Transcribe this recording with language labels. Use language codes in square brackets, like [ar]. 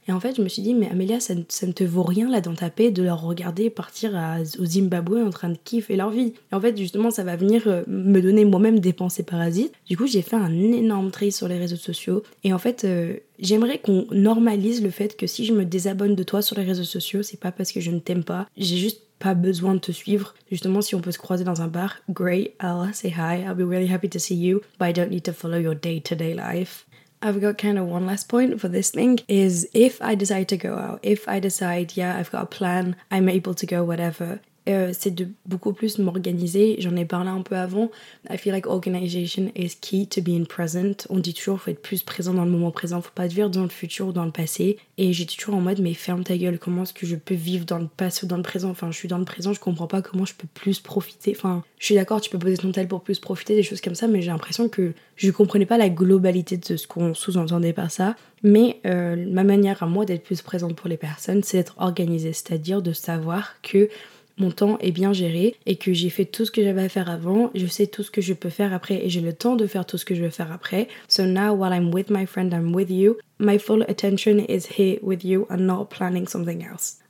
[fr] Et en fait, je me suis dit, mais Amélia, ça ne te vaut rien, là, dans ta paix, de leur regarder partir au Zimbabwe en train de kiffer leur vie. Et en fait, justement, ça va venir me donner moi-même des pensées parasites. Du coup, j'ai fait un énorme tri sur les réseaux sociaux. Et en fait... J'aimerais qu'on normalise le fait que si je me désabonne de toi sur les réseaux sociaux, c'est pas parce que je ne t'aime pas, j'ai juste pas besoin de te suivre. Justement, si on peut se croiser dans un bar, [en] great, I'll say hi, I'll be really happy to see you, but I don't need to follow your day-to-day life. I've got kind of one last point for this thing, is if I decide to go out, if I decide, yeah, I've got a plan, I'm able to go, whatever... [fr] c'est de beaucoup plus m'organiser, j'en ai parlé un peu avant. [en] I feel like organization is key to being present. [fr] On dit toujours, faut être plus présent dans le moment présent, faut pas vivre dans le futur ou dans le passé. Et j'étais toujours en mode, mais ferme ta gueule, comment est-ce que je peux vivre dans le passé ou dans le présent? Enfin, je suis dans le présent, je comprends pas comment je peux plus profiter. Enfin, je suis d'accord, tu peux poser ton tel pour plus profiter, des choses comme ça, mais j'ai l'impression que je comprenais pas la globalité de ce qu'on sous-entendait par ça. Mais ma manière à moi d'être plus présente pour les personnes, c'est d'être organisée, c'est-à-dire de savoir que... mon temps est bien géré et que j'ai fait tout ce que j'avais à faire avant, je sais tout ce que je peux faire après et j'ai le temps de faire tout ce que je veux faire après. [en] So now while I'm with my friend, I'm with you, my full attention is here with you and not planning something else.